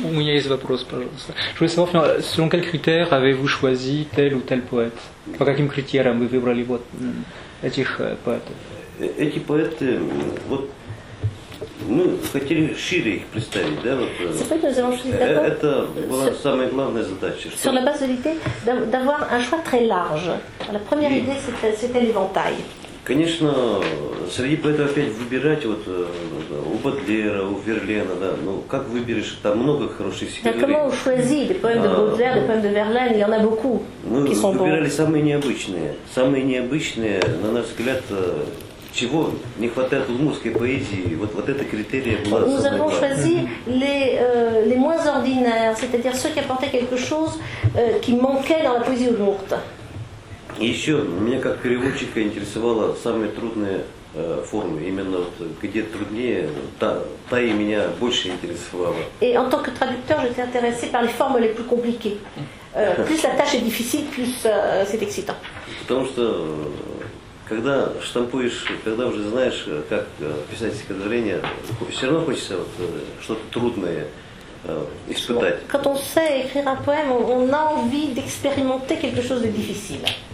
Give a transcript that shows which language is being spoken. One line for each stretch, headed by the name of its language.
French: Je voulais savoir, selon quels critères avez-vous choisi tel ou tel poète? Par quels critères avez-vous choisi ces poètes? Ces poètes, nous voulions les présenter plus large. Nous avons choisi d'abord.
Russian: Это была самая главная задача.
French: Sur la base de l'idée d'avoir un choix très large. La première idée, c'était l'éventail.
Russian: Конечно, среди поэтов опять выбирать вот у Бодлера, у Верлена, да, ну как выберешь, там много хороших стихов.
French: Так comment on choisit les poèmes de Baudelaire, les poèmes de Verlaine, il y en a beaucoup qui sont bons.
Russian: Мы выбирали самые необычные. Самые необычные, на наш взгляд, чего не хватает удмуртской поэзии, вот, вот это критерий была самая главная.
French: Nous avons choisi les moins ordinaires, c'est-à-dire ceux qui apportaient quelque chose qui manquait dans la poésie udmurte.
Russian: И еще меня как переводчика интересовала самые трудные формы, именно вот, где труднее, та и меня больше интересовала.
French: Et en tant que traducteur, j'étais intéressé par les formes les plus compliquées. Plus la tâche est difficile, plus c'est excitant.
Russian: Потому что когда штампуешь, когда уже знаешь, как писать стихотворение, все равно хочется вот, что-то трудное. Испытать.
French: Quand on sait écrire un poème, on a envie d'expérimenter quelque chose de difficile.